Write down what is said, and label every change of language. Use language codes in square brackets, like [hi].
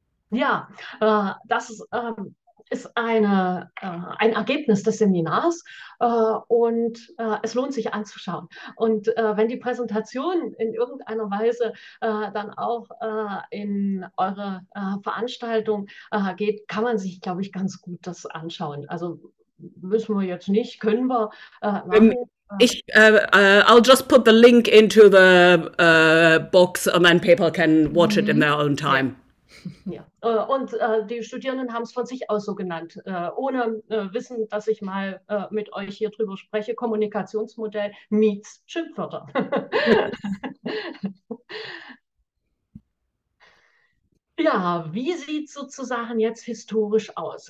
[de] Ja, das ist, ist eine, ein Ergebnis des Seminars, und es lohnt sich anzuschauen. Und wenn die Präsentation in irgendeiner Weise dann auch in eure Veranstaltung geht, kann man sich, glaube ich, ganz gut das anschauen. Also müssen wir jetzt nicht, können wir machen. [en] I'll just put the link into the box and then people can watch it in their own time. [de] Ja, und die Studierenden haben es von sich aus so genannt, ohne wissen, dass ich mal mit euch hier drüber spreche. Kommunikationsmodell meets Schimpfwörter. Ja, wie sieht es sozusagen jetzt historisch aus?